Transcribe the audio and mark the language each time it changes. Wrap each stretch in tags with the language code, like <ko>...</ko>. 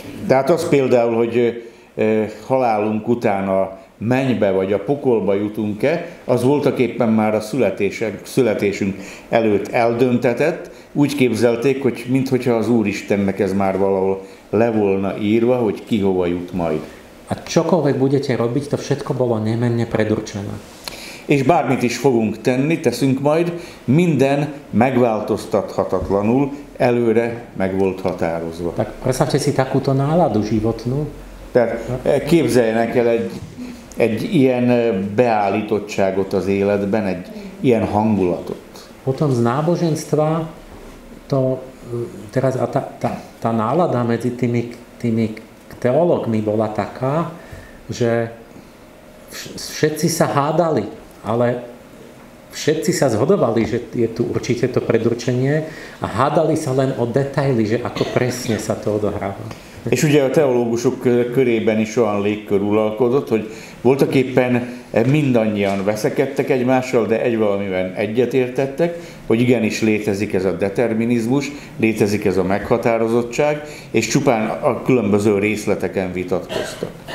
<hu>Tehát az például, hogy halálunk után a mennybe vagy a pokolba jutunk-e, az voltaképpen már a születésünk előtt eldöntetett. Úgy képzelték, hogy minthogyha az Úristennek ez már valahol le volna írva, hogy ki hova jut majd.</hu> <sk>A čokoľvek budete robiť, to všetko bolo nemenne predurčené.</sk> <hu>És bármit is fogunk tenni, teszünk majd, minden megváltoztathatatlanul, előre meg volt határozva.</hu> <sk>Tak predstavte si takúto náladu životnú.</sk> <hu>Tehát képzeljenek el egy ilyen beállítottságot az életben, egy ilyen hangulatot.</hu> <sk>Potom z náboženstva to teraz a tá nálada medzi tými teológmi bola taká, že všetci sa hádali, ale všetci sa zhodovali, že je tu určite to predurčenie a hádali sa len o detaily, že ako presne sa to odohráva.</sk> <hu>És ugye a teológusok körében is olyan légkör uralkodott, hogy voltak éppen mindannyian veszekedtek egymással, de egy valamiben egyetértettek, hogy igenis létezik ez a determinizmus, létezik ez a meghatározottság, és csupán a különböző részleteken vitatkoztak.</hu>